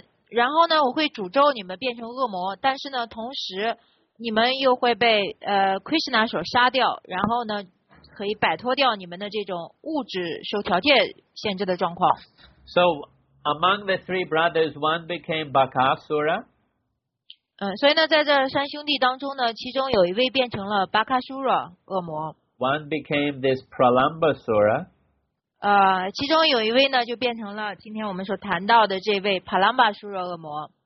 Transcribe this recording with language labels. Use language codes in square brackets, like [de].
[zh] 然后呢，我会诅咒你们变成恶魔，但是呢，同时你们又会被Krishna 所杀掉，然后呢，可以摆脱掉你们的这种物质受条件限制的状况。 [en] So, Among the three brothers, one became Bakasura. [zh] 所以呢，在这三兄弟当中呢，其中有一位变成了巴卡苏拉恶魔。 [en] One became this Pralambasura. [zh] 其中有一位呢，就变成了今天我们所谈到的这位帕兰巴苏拉恶魔。